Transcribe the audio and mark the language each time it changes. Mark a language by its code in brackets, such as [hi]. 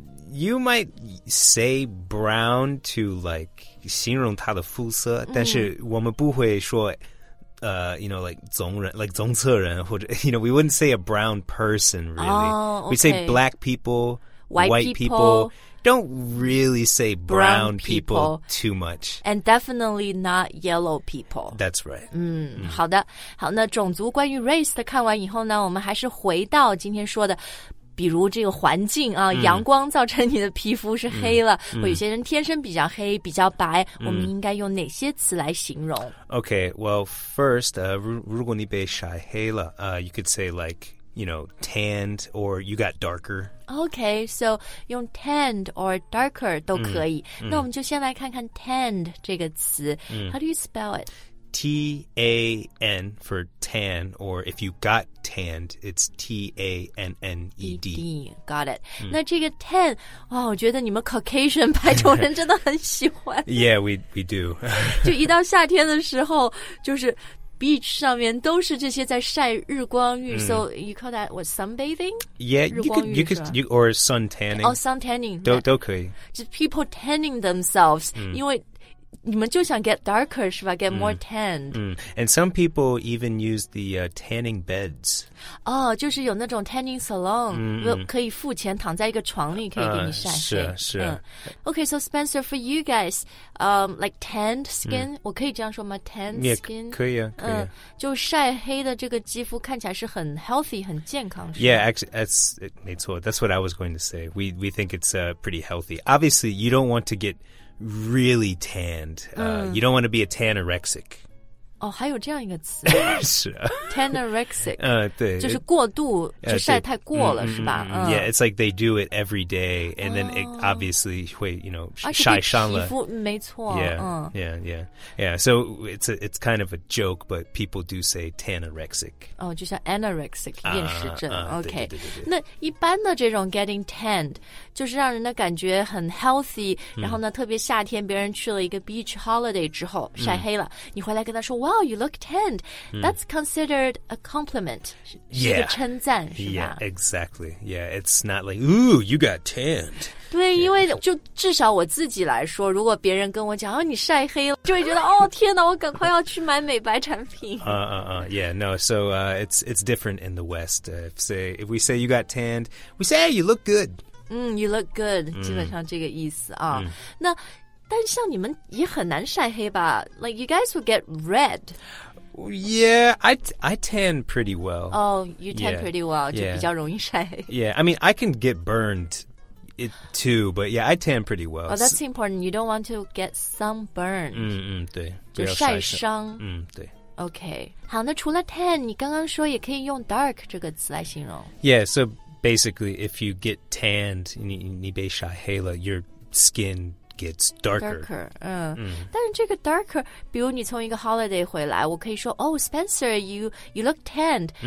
[en] You might say brown to like [zh] 形容它的肤色，但是我们不会说。 [en] You know, like [zh] 棕人 [en] like [zh] 棕色人或者 [en] you know, we wouldn't say a brown person really. Oh, okay. We say black people, white people. Don't really say brown people too much. And definitely not yellow people. That's right. [zh] 好的。好，那种族关于 race 的看完以后呢，我们还是回到今天说的，比如这个环境啊，阳光造成你的皮肤是黑了，或有些人天生比较黑，比较白，我们应该用哪些词来形容？ [en] Okay, well, first, [zh] 如果你被晒黑了 [en] you could say like... You know, tanned or you got darker. Okay, so [zh] 用 tanned or darker 都可以。那我们就先来看看 tanned 这个词。 [en] How do you spell it? T-A-N for tan, or if you got tanned, it's T-A-N-N-E-D. Got it. [zh] 那这个 tan, 哇，我觉得你们 Caucasian 白种人真的很喜欢。 [en] Yeah, we do. [zh] 就一到夏天的时候，就是Beach 上面都是这些在晒日光浴， [en] so you call that what sunbathing? Yeah, you could or sun tanning. Oh, sun tanning. [zh] 都可以。 [en] Just people tanning themselves, [zh] 因为你们就想 [en] get darker, [zh] 是吧? [en] Get more tanned. And some people even use the tanning beds. [zh] Oh, 就是有那种 tanning salon, 可以付钱躺在一个床里可以给你晒黑。是是。 [en] Okay, so Spencer, for you guys, like tanned skin, [zh] 我可以这样说吗? [en] Tanned skin? [zh] 可以啊,可以啊。就晒黑的这个肌肤看起来是很 healthy, 很健康。 [en] Yeah, actually, [zh] 没错, [en] that's what I was going to say. We think it's pretty healthy. Obviously, you don't want to get... really tanned. You don't want to be a tanorexic. [zh] Oh, 还有这样一个词。是啊。 [en] Tanorexic. [zh] 对。就是过度,就晒太过了,是吧? [en] Yeah, it's like they do it every day, and then it obviously 会, you know, [zh] 晒伤了。而且对皮肤,没错。 [en] Yeah, yeah, yeah. Yeah, so it's kind of a joke, but people do say tanorexic. [zh] Oh, 就像 anorexic, 厌食症。Okay. 那一般的这种 getting tanned,就是让人的感觉很 healthy, 然后呢特别夏天别人去了一个 beach holiday 之后晒黑了你回来跟他说 [en] Wow, you look tanned. That's considered a compliment. [zh] 是一个称赞是吧 [en] Yeah, exactly. Yeah, it's not like, ooh, you got tanned. [zh] 对、 [en] yeah. [zh] 因为就至少我自己来说如果别人跟我讲、啊、你晒黑了就会觉得哦天哪我赶快要去买美白产品。 [en] Yeah, no, so it's different in the West. If we say you got tanned, we say you look good. You look good, [zh] 基本上这个意思啊。那但像你们也很难晒黑吧 [en] Like you guys would get red. Yeah, I tan pretty well. Oh, you tan pretty well, [zh] 就比较容易晒黑。 [en] Yeah, I mean, I can get burned too, but yeah, I tan pretty well. Oh, that's important. You don't want to get sunburned. [zh] 对。就晒伤。对。 [en] Okay. [zh] 好那除了 tan, 你刚刚说也可以用 dark 这个词来形容。 [en] Yeah, so... Basically, if you get tanned, [zh] 你被晒黑了, [en] your skin gets darker. [zh] Darker, 但是这个 darker, 比如你从一个 holiday 回来, 我可以说, [en] oh, Spencer, you look tanned.